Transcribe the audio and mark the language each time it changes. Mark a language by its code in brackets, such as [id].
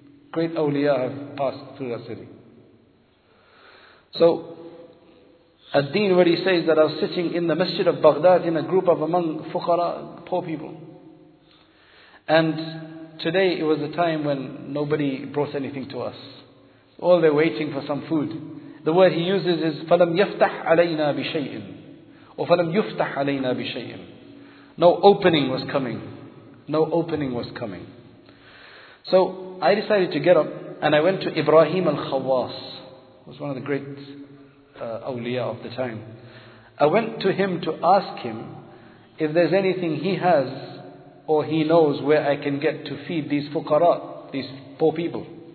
[en] Great awliya have passed through that city. So Ad-Din Wari says that I was sitting in the Masjid of Baghdad in a group of among fuqara, poor people. And today it was a time when nobody brought anything to us. All they're waiting for some food. The word he uses is [ar] فَلَمْ يَفْتَحْ عَلَيْنَا بِشَيْءٍ [en] or [ar] فَلَمْ يُفْتَحْ عَلَيْنَا بِشَيْءٍ. [en] No opening was coming. No opening was coming. So I decided to get up and I went to Ibrahim al-Khawas. Was one of the great awliya of the time. I went to him to ask him if there's anything he has or he knows where I can get to feed these fuqara, these poor people.